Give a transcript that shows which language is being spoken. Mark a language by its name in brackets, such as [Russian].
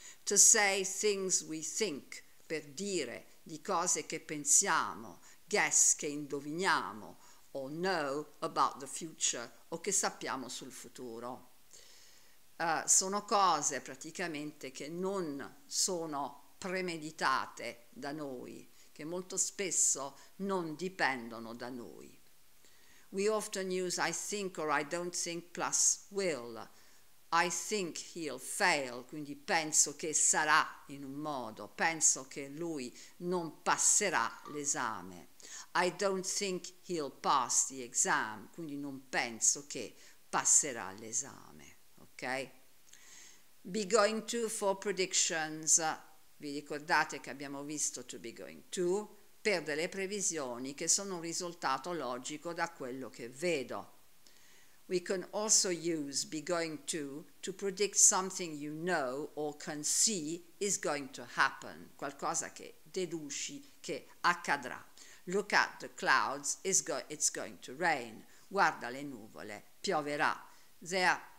[English] To say things we think, [Italian] per dire di cose che pensiamo, [English] guess [Italian] che indoviniamo, [English] or know about the future, [Italian] o che sappiamo sul futuro. Sono cose praticamente che non sono premeditate da noi, che molto spesso non dipendono da noi. [English] We often use I think or I don't think plus will. I think he'll fail, [Italian] quindi penso che sarà in un modo, penso che lui non passerà l'esame. [English] I don't think he'll pass the exam, [Italian] quindi non penso che passerà l'esame. Ok? [English] Be going to for predictions. [Italian] Vi ricordate che abbiamo visto to be going to per delle previsioni che sono un risultato logico da quello che vedo. [English] We can also use be going to predict something you know or can see is going to happen. [Italian] Qualcosa che deduci che accadrà. [English] Look at the clouds, it's going to rain. [Italian] Guarda le nuvole, pioverà. [English] They are